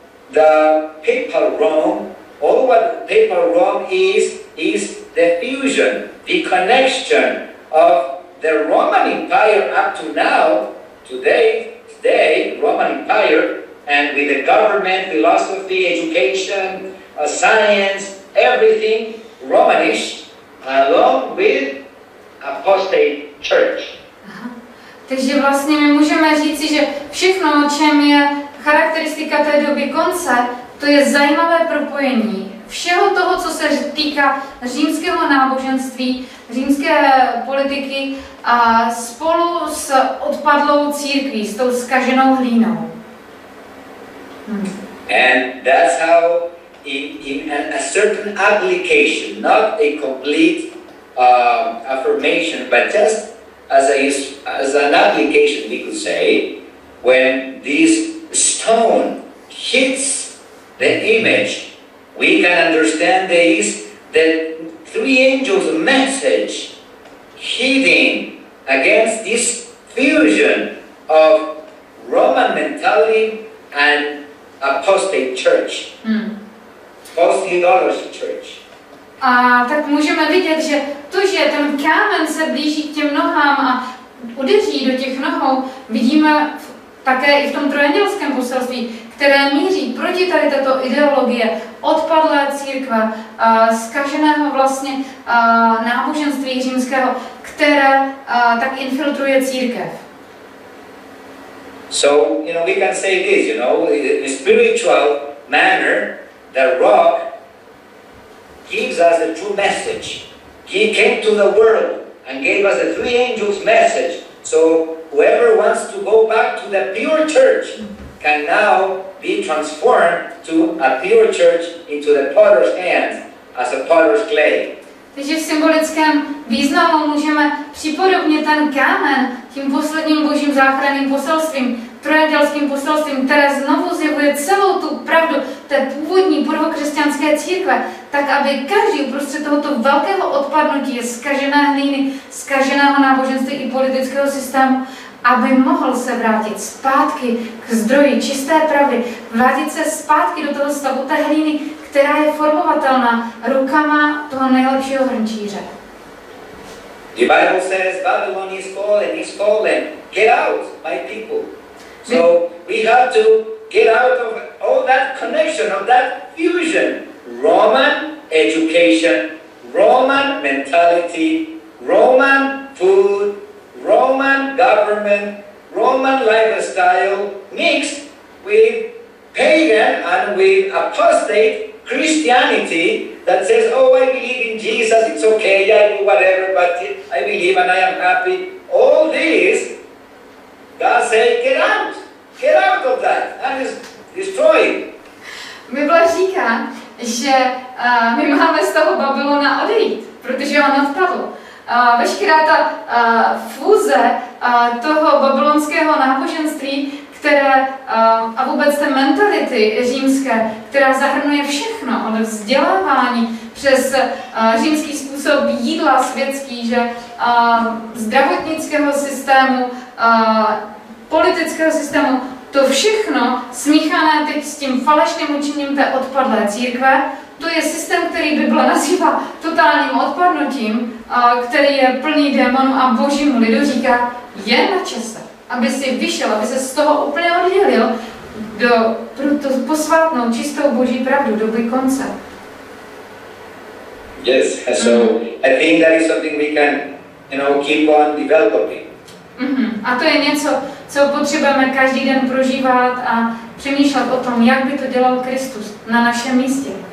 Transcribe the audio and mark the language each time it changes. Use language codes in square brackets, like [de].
[en] The papal Rome, all what papal Rome is the fusion, the connection of the Roman Empire up to now, today, Roman Empire, and with the government, philosophy, education, science, everything Romanish, along with apostate church. [cs] Takže vlastně my můžeme říci, že všechno, o čem je charakteristika té doby konce, to je zajímavé propojení všeho toho, co se týká římského náboženství, římské politiky a spolu s odpadlou církví, s tou zkaženou hlínou. [en] And that's how in a certain application, not a complete affirmation, but just as an application, we could say, when this stone hits the image, we can understand there is the three angels' message hitting against this fusion of Roman mentality and apostate church, post-theodicy church. [cs] A tak můžeme vidět, že to, že ten kámen se blíží k těm nohám a udeří do těch nohou, vidíme také i v tom trojandělském poselství, které míří proti tady této ideologie odpadlé církve, zkaženého vlastně náboženství římského, které tak infiltruje církev. [en] So, you know, we can say this, you know, in a spiritual manner, the rock gives us the true message. He came to the world and gave us the three angels' message. So whoever wants to go back to the pure church can now be transformed to a pure church into the potter's hands as a potter's clay. [cs] Takže v symbolickém významu můžeme připodobně ten kámen tím posledním božím záchranným poselstvím, trojandělským poselstvím, které znovu zjevuje celou tu pravdu té původní prvokřesťanské církve, tak aby každý uprostřed tohoto velkého odpadnutí, zkažené hlíny, zkaženého náboženství i politického systému, aby mohl se vrátit zpátky k zdroji čisté pravdy, vrátit se zpátky do toho stavu té hlíny, která je formovatelná rukama toho nejlepšího hrnčíře. [en] The Bible says Babylon is fallen, is fallen. Get out, my people. So we have to get out of all that connection, of that fusion. Roman education, Roman mentality, Roman food, Roman government, Roman lifestyle mixed with pagan and with apostate Christianity that says, oh, I believe in Jesus, it's okay, I do whatever, but I believe and I am happy. All this, God says, get out of that, and it's destroyed. [cs] Bible říká, že my máme z toho Babylona odejít, protože on odpadl. Veškerá ta fúze toho babylonského náboženství, které a vůbec té mentality římské, která zahrnuje všechno, od vzdělávání přes římský způsob jídla světský, že zdravotnického systému, politického systému, to všechno smíchané teď s tím falešným učením té odpadlé církve, to je systém, který Bible nazývá totálním odpadnutím, který je plný démonů a božímu lidu říká, je na čase, aby si vyšel, aby se z toho úplně oddělil do posvátnou čistou boží pravdu, doby konce. [en] Yes, so I think that is something we can, you know, keep on developing. Mm-hmm. [cs] A to je něco, co potřebujeme každý den prožívat a přemýšlet o tom, jak by to dělal Kristus na našem místě.